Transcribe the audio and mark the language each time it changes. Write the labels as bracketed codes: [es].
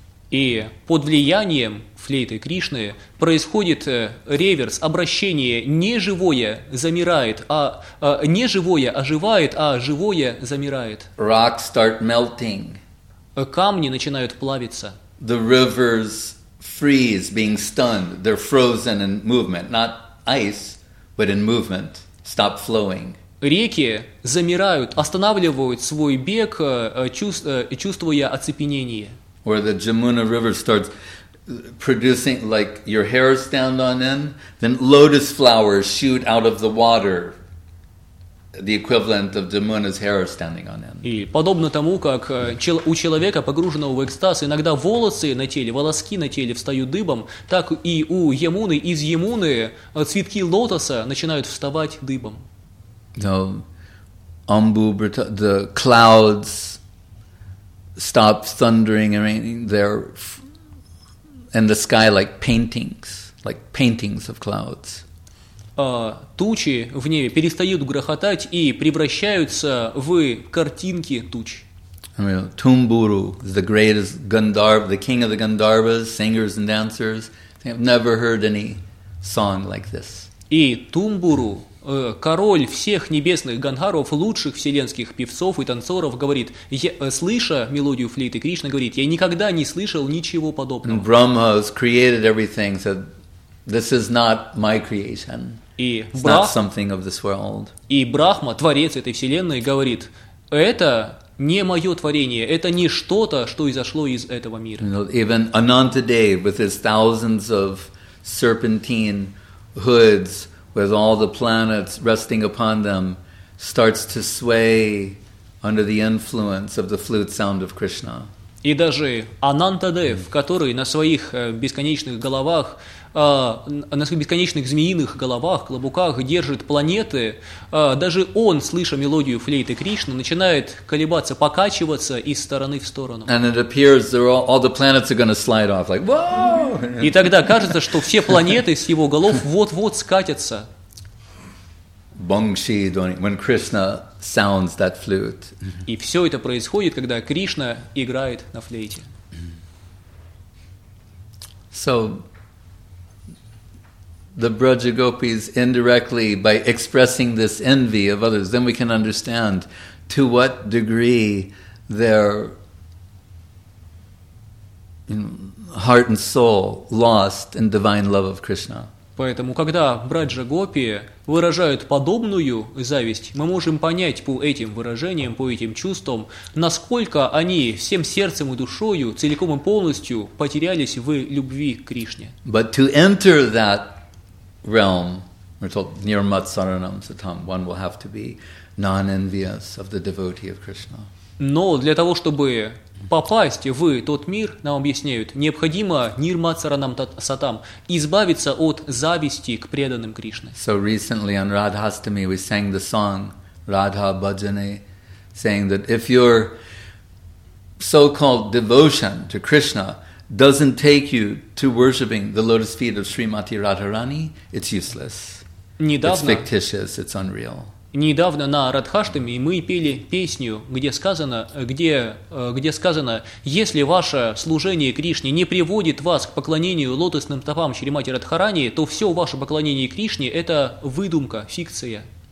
[ru] И под влиянием флейты Кришны происходит реверс, обращение неживое замирает, неживое оживает, а живое замирает. [en] Rocks start melting. [ru] Камни начинают плавиться. [en] The rivers freeze, being stunned. They're frozen in movement, not ice, but in movement. Stop flowing. [ru] Реки замирают, останавливают свой бег, чувствуя оцепенение. [en] Or the Jamuna River starts producing, like your hair stand on end, then lotus flowers shoot out of the water, the equivalent of Jamuna's hair standing on end. [ru] И подобно тому, как у человека, погруженного в экстаз, иногда волоски на теле встают дыбом, так и у Ямуны, из Ямуны цветки лотоса начинают вставать дыбом. [en] No, Ambu Brita, the clouds stop thundering and raining there, and the sky like paintings of clouds. [ru] Тучи в небе перестают грохотать и превращаются в картинки туч. [en] Tumburu is the greatest Gandharva, the king of the Gandharvas, singers and dancers. They have never heard any song like this. [ru] И Тумбуру, король всех небесных гандхаров, лучших вселенских певцов и танцоров, говорит, слыша мелодию флейты Кришны, говорит, я никогда не слышал ничего подобного. [en] And Brahma has created everything, said, this is not my creation. It's not something of this world. [ru] И Брахма, творец этой вселенной, говорит, это не мое творение, это не что-то, что изошло из этого мира. [en] You know, even Anantadev with his thousands of serpentine hoods, with all the planets resting upon them, starts to sway under the influence of the flute sound of Krishna. [ru] И даже Анантадев, который на своих бесконечных головах, на своих бесконечных змеиных головах, клобуках держит планеты, даже он, слыша мелодию флейты Кришны, начинает колебаться, покачиваться из стороны в сторону. [en] And it appears all the planets are going to slide off, like, whoa! [ru] И тогда кажется, что все планеты с его голов вот-вот скатятся. [en] Bangshi Dhwani, when Krishna sounds that flute. [ru] И все это происходит, когда Кришна играет на флейте. [en] So, the Braja Gopis indirectly, by expressing this envy of others, then we can understand to what degree their heart and soul lost in divine love of Krishna. [ru] Поэтому, когда Браджа Гопи выражают подобную зависть, мы можем понять по этим выражениям, по этим чувствам, насколько они всем сердцем и душою, целиком и полностью потерялись в любви к Кришне. [en] But to enter that realm, we're told, [sa] Nirmat Saranam Satam, [en] one will have to be non-envious of the devotee of Krishna. [ru] Но для того, чтобы попасть в тот мир, нам объясняют, необходимо [sa] нирмацаранам сатам, [ru] избавиться от зависти к преданным Кришне. [en] So recently on Radhastami we sang the song Radha Bhajane, saying that if your so-called devotion to Krishna doesn't take you to worshiping the lotus feet of Srimati Radharani, it's useless. [ru] Недавно, [en] it's fictitious, it's unreal. [ru] Недавно на Радхаштаме мы пели песню, где сказано, если ваше служение Кришне не приводит вас к поклонению лотосным стопам Шримати Радхарани, то все ваше поклонение Кришне – это выдумка, фикция.